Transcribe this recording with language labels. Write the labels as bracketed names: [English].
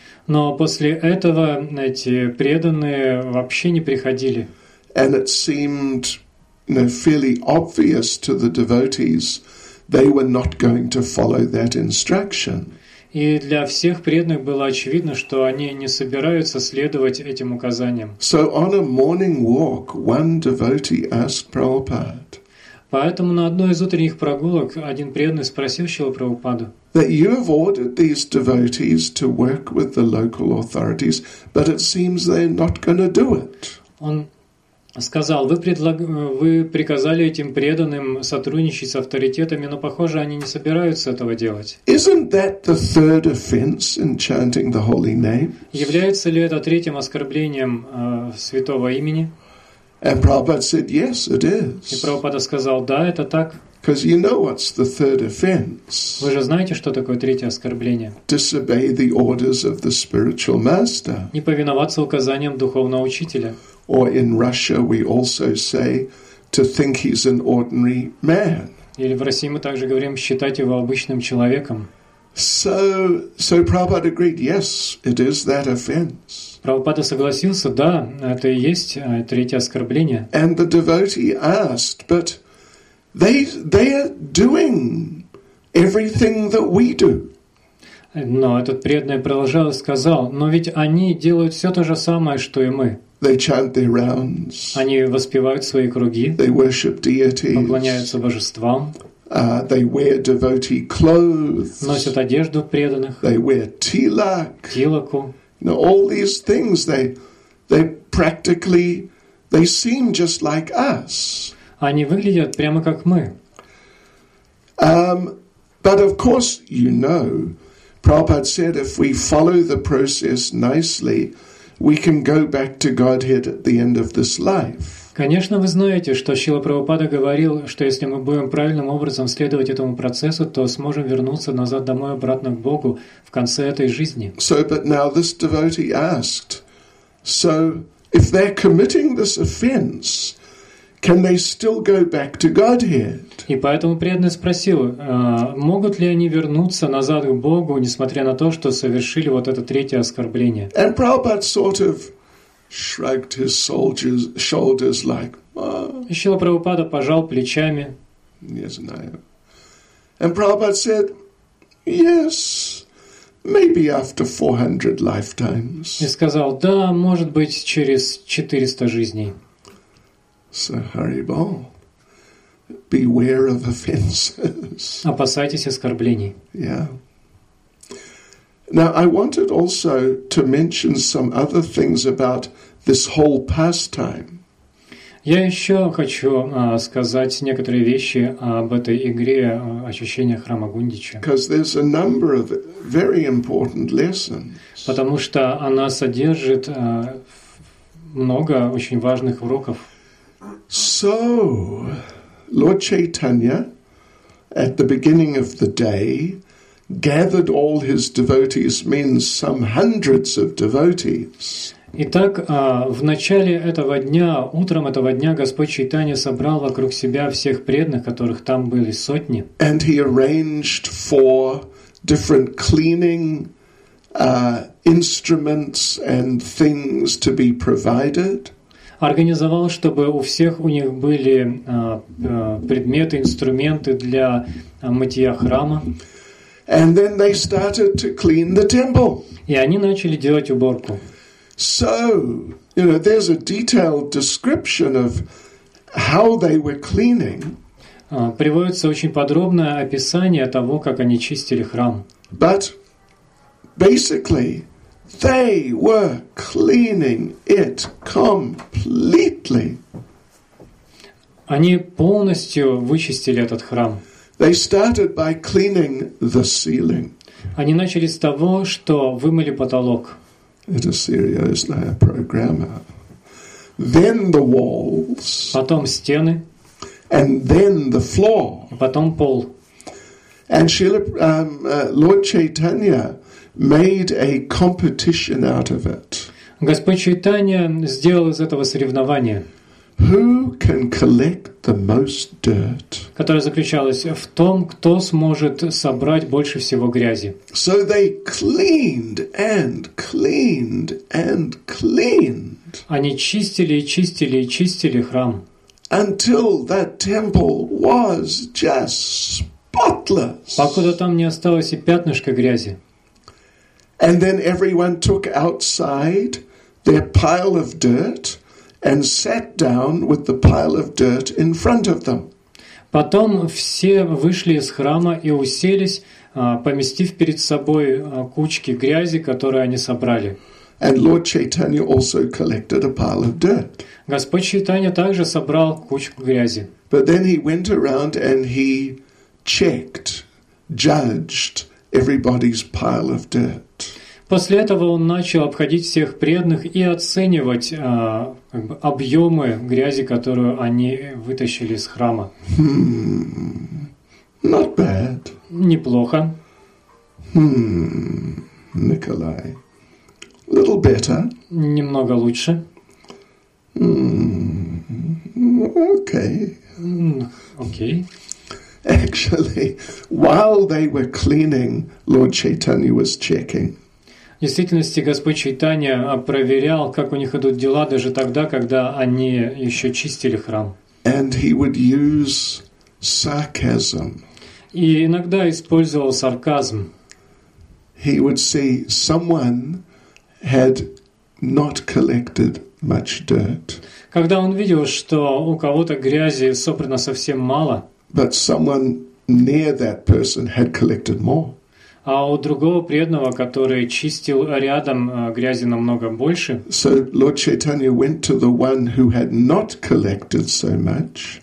[Russian] Но после этого эти преданные вообще не приходили. [English] And it seemed, fairly obvious to the devotees, they were not going to follow that instruction. [Russian] И для всех преданных было очевидно, что они не собираются следовать этим указаниям. [English] So on a morning walk, one devotee asked Prabhupada. [Russian] Поэтому на одной из утренних прогулок один преданный спросил Шрилу Прабхупаду: [English] That you have ordered these devotees to work with the local authorities, but it seems they're not going to do it. [Russian] Он сказал: вы приказали этим преданным сотрудничать с авторитетами, но похоже, они не собираются этого делать. [English] Isn't that the third offense in chanting the holy name? [Russian] Является ли это третьим оскорблением святого имени? [English] And Prabhupada said, "Yes, it is." [Russian] И Прабхупада сказал: да, это так. [English] Because you know what's the third offense. [Russian] Вы же знаете, что такое третье оскорбление? [English] Disobey the orders of the spiritual master. [Russian] Не повиноваться указаниям духовного учителя. [English] Or in Russia we also say to think he's an ordinary man. [Russian] Или в России мы также говорим считать его обычным человеком. [English] So Prabhupada agreed, yes, it is that offense. [Russian] Прабхупада согласился: да, это и есть третье оскорбление. [English] And the devotee asked, but they are doing everything that we do. [Russian] Но этот преданный продолжал и сказал: но ведь они делают все то же самое, что и мы. [English] They chant their rounds. [Russian] Они воспевают свои круги. [English] They worship deities. [Russian] Поклоняются божествам. [English] They wear devotee clothes. [Russian] Носят одежду преданных. [English] They wear tilak. [Russian] Тилаку. [English] Now all these things they seem just like us. [Russian] Они выглядят прямо как мы. [English] But of course, you know, Prabhupada said if we follow the process nicely, we can go back to Godhead at the end of this life. [Russian] Конечно, вы знаете, что Шрила Прабхупада говорил, что если мы будем правильным образом следовать этому процессу, то сможем вернуться назад домой обратно к Богу в конце этой жизни. [English] So, but now this devotee asked, so if they're committing this offense, can they still go back to Godhead? [Russian] И поэтому преданный спросил, могут ли они вернуться назад к Богу, несмотря на то, что совершили вот это третье оскорбление? [English] And Prabhupada sort of shrugged his shoulders like, [Russian] И Шрила Прабхупада пожал плечами. Не знаю. [English] And Prabhupada said, yes, maybe after 400 lifetimes. [Russian] И сказал, да, может быть, через 400 жизней. [English] So, Haribol, beware of offenses. [Russian] Опасайтесь оскорблений. [English] Yeah. Now, I wanted also to mention some other things about this whole pastime. [Russian] Я еще хочу сказать некоторые вещи об этой игре очищения храма Гундича. [English] Because there's a number of very important lessons. [Russian] Потому что она содержит много очень важных уроков. [English] So, Lord Chaitanya, at the beginning of the day, gathered all his devotees, means some hundreds of devotees. [Russian] Итак, в начале этого дня, утром этого дня, Господь Чайтанья собрал вокруг себя всех преданных, которых там были сотни. [English] And he arranged for different cleaning instruments and things to be provided. [Russian] Организовал, чтобы у всех у них были предметы, инструменты для мытья храма. [English] And then they started to clean the temple. [Russian] И они начали делать уборку. [English] So, you know, there's a detailed description of how they were cleaning. [Russian] Приводится очень подробное описание того, как они чистили храм. [English] But basically, they were cleaning it completely. [Russian] Они полностью вычистили этот храм. [English] They started by cleaning the ceiling. [Russian] Они начали с того, что вымыли потолок. Это серьезная программа. [English] Then the walls. [Russian] Потом стены. [English] And then the floor. [Russian] Потом пол. [English] And Lord Chaitanya made a competition out of it. [Russian] Господь Чайтанья сделал из этого соревнование. [English] Who can collect the most dirt? [Russian] Которое заключалось в том, кто сможет собрать больше всего грязи. [English] So they cleaned and cleaned and cleaned. [Russian] Они чистили и чистили и чистили храм. [English] Until that temple was just spotless. [Russian] Покуда там не осталось и пятнышка грязи. [English] And then everyone took outside their pile of dirt and sat down with the pile of dirt in front of them. [Russian] Потом все вышли из храма и уселись, поместив перед собой кучки грязи, которые они собрали. [English] And Lord Chaitanya also collected a pile of dirt. [Russian] Господь Чайтанья также собрал кучку грязи. [English] But then he went around and he checked, judged everybody's pile of dirt. [Russian] После этого он начал обходить всех преданных и оценивать как бы объемы грязи, которую они вытащили из храма. [English] Not bad. [Russian] Неплохо. [English] Николай. Little better. [Russian] Немного лучше. [English] Okay. Okay. Actually, while they were cleaning, Lord Chaitanya was checking. [Russian] В действительности, Господь Чайтанья проверял, как у них идут дела, даже тогда, когда они еще чистили храм. [English] And he would use sarcasm. [Russian] И иногда использовал сарказм. [English] He would say, someone had not collected much dirt. [Russian] Когда он видел, что у кого-то грязи собрано совсем мало, [English] but someone near that person had collected more. [Russian] А у другого преданного, который чистил рядом, грязи намного больше. [English] So Lord Chaitanya went to the one who had not collected so much.